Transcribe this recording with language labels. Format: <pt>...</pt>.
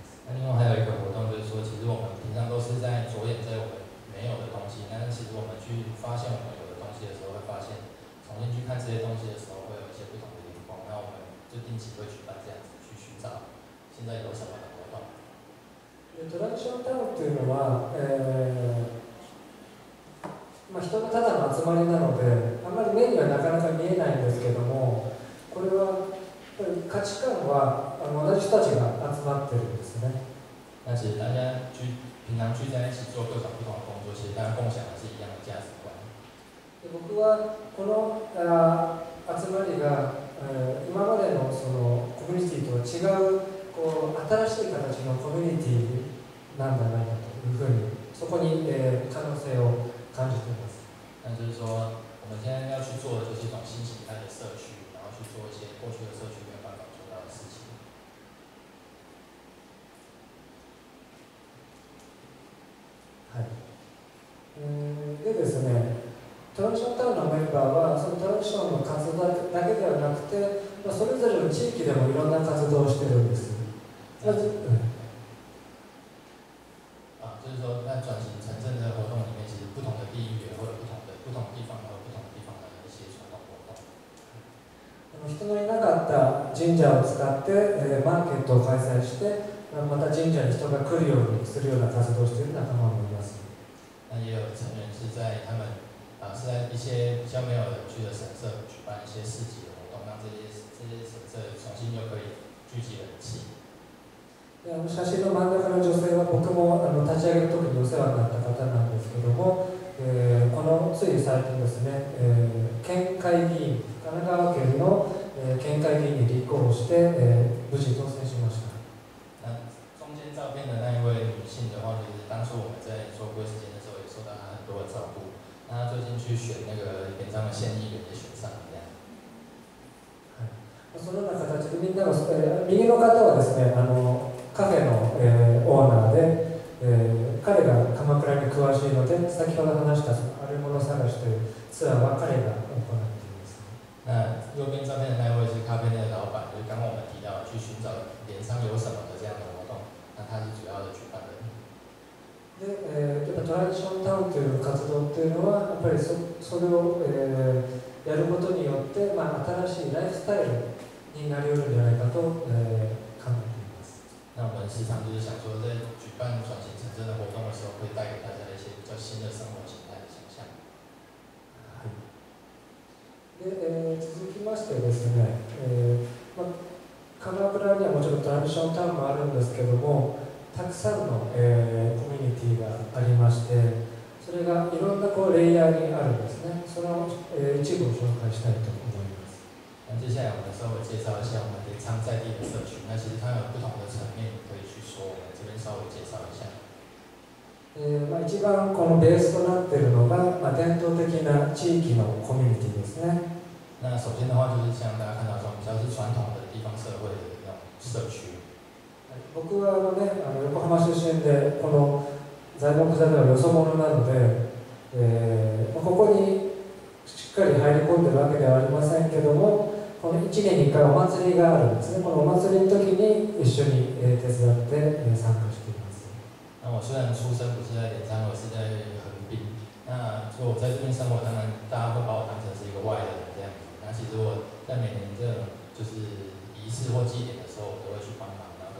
<zh>那另外还有一个活动就是说，其实我们平常都是在着眼在我们没有的东西，但是其实我们去发现我们有的东西的时候，会发现重新去看这些东西的时候，会有一些不同的眼光。那我们就定期会举办这样子去寻找现在有什么的活动。</zh> <ja>トランションタウンというのは、まあ人がただの集まりなので、あまり目にはなかなか見えないんですけども、これは価値観は同じ人たちが集まってるんですね。</ja> <zh>那其实大家去。平常聚在一起做各种不同的工作，其实大家共享的是一样的价值观。</zh> <ja>僕はこの集まりが今までのそのコミュニティとは違うこう新しい形のコミュニティなんじゃないかというふうにそこに可能性を感じています。</ja> <zh>那就是说，我们现在要去做的就是一种新形态的社区，然后去做一些过去的社区没有办法做到的事情。</zh> <ja>はい。でですね、トランションタウンのメンバーはそのトランションの活動だけではなくて、まあそれぞれの地域でもいろんな活動をしているんです。まず、</ja> <zh>あ、就是说，那转型城镇的活动里面，其实不同的地域也会有不同的地方，会有不同的地方的一些传统活动。</zh> <ja>人のいなかった神社を使って、マーケットを開催して。また神社に人が来るようにするような活動をしている仲間もいます。</ja> <zh>那也有成员是在他们啊是在一些比较没有人去的神社举办一些市集的活动，让这些神社重新又可以聚集人气。</zh> <ja>で、写真の真ん中の女性は僕も立ち上げの時にお世話になった方なんですけども、このつい最近ですね、県会議員神奈川県の県会議員に立候補して、無事当選しました。</ja> <zh>照片的那一位女性的话，就是当初我们在做龟山间的时候，也受到她很多的照顾。那她最近去选那个边疆的县议员，也选上了这样。</zh> <ja>はい。そのような形でみんなの右の方はですね、カフェのオーナーで、彼が鎌倉に詳しいので、先ほど話したあるもの探しというツアーは彼が行っています。</ja> <zh>那右边照片的那一位是咖啡店的老板，就是刚刚我们提到去寻找镰仓有什么的这样的。他是主要的举办人。</zh> <ja>で、トランジションタウンという活動というのは、やっぱり それを、やることによって、まあ、新しいライフスタイルになりうるんじゃないかと、考えています。</ja> <zh>那我们时常就是想说，在举办转型城镇的活动的时候，会带给大家一些比较新的生活形态的想象。</zh> <ja>はい。で、続きましてですね、まあ、鎌倉にはもちろんトランジションタウンもあるんですけども、たくさんの、コミュニティがありまして、それがいろんなこうレイヤーにあるんですね。その、一部を紹介したいと思います。</ja> <zh>那接下来我们稍微介绍一下我们的昌在地的社群。那其实它有不同的层面可以去说，我们这边稍微介绍一下。</zh> <ja>まあ、一番このベースとなっているのが、まあ、伝統的な地域のコミュニティですね。</ja> <zh>那首先的话就是像大家看到说，比较是传统的地方社会的那种社区。</zh> <ja>僕はね、横浜出身で、この材木座ではよそ者なので、ここにしっかり入り込んでるわけではありませんけども、この1年に1回お祭りがあるんですね。このお祭りの時に一緒に手伝って参加しています。</ja> <zh>那我虽然出生不是在镰仓，我是在横滨。那就我在这边生活，当然大家会把我当成是一个外人这样子。那其实我在每年这种就是仪式或祭典的时候，我都会去帮忙。</zh>